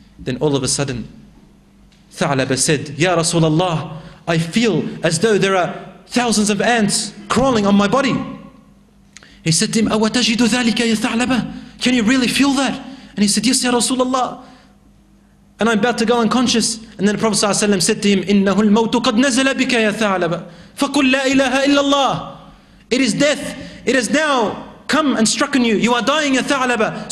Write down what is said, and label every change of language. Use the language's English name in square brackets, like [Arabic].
[English] Then all of a sudden, Tha'laba said, Ya Rasulullah, I feel as though there are thousands of ants crawling on my body. He said to him, [Arabic] أَوَتَجِدُ ذَلِكَ يَا ثَعْلَبَ? [English] Can you really feel that? And he said, Yes, Ya Rasulullah. And I'm about to go unconscious. And then the Prophet ﷺ said to him, [Arabic] إِنَّهُ الْمَوْتُ قَدْ نَزَلَ بِكَ يَا ثَعْلَبَ فَقُلْ لَا إِلَهَ إِلَّا اللَّهِ. [English] It is death. It has now come and struck on you. You are dying, Ya ثَعْلَبَ.